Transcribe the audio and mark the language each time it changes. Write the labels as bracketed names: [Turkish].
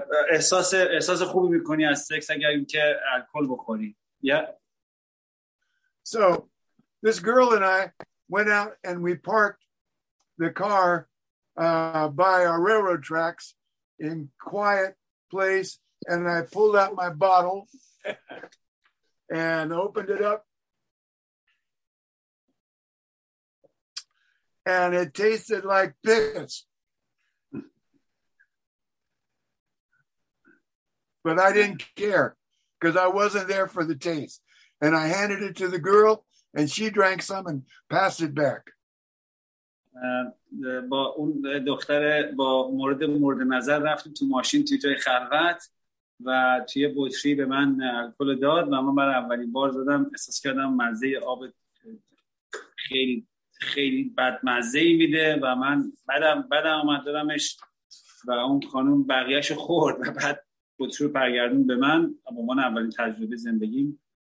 [Persian] احساس خوبی می‌کنی از سکس اگر اینکه الکل بخوری. [English] Yeah. So this girl and I went out and we parked the car by our railroad tracks in quiet place and I pulled out my bottle and opened it up and it tasted like piss. But I didn't care because I wasn't there for the taste. And I handed it to the girl, and she drank some and passed it back. [Persian] با اون دختر با مورد نظر رفتم تو ماشین توی جای خلوت و توی بطری به من الکل داد و من برای اولین بار زدم احساس کردم مزه آب خیلی خیلی بد مزه ای میده و من بعدم اومد دادمش و اون خانم بقیهشو خورد و بعد بطری رو برگردون به من و من اولین تجربه زندگیم.